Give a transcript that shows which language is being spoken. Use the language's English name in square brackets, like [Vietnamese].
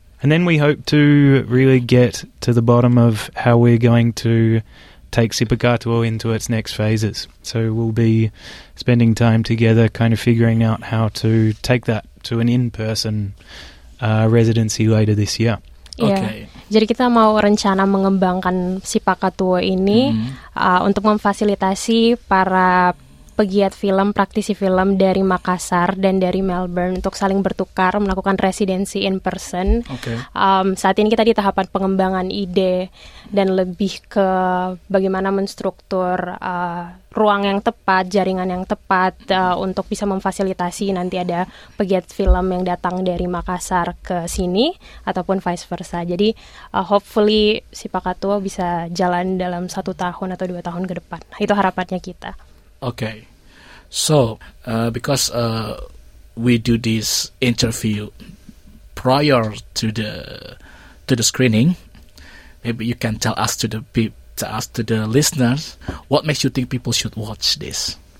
[English] And then we hope to really get to the bottom of how we're going to take Sipakatuo into its next phases. So we'll be spending time together kind of figuring out how to take that to an in-person residency later this year. Yeah. Okay. [Indonesian] Jadi kita mau rencana mengembangkan Sipakatuo ini untuk memfasilitasi para pegiat film, praktisi film dari Makassar dan dari Melbourne untuk saling bertukar, melakukan residency in person. [English] Okay. [Indonesian] Saat ini kita di tahapan pengembangan ide dan lebih ke bagaimana menstruktur ruang yang tepat, jaringan yang tepat untuk bisa memfasilitasi nanti ada pegiat film yang datang dari Makassar ke sini ataupun vice versa. Jadi hopefully Sipakatuo bisa jalan dalam 1 tahun atau 2 tahun ke depan. Itu harapannya kita. [English] Okay, so because we do this interview prior to the screening, maybe you can tell us to the listeners what makes you think people should watch this.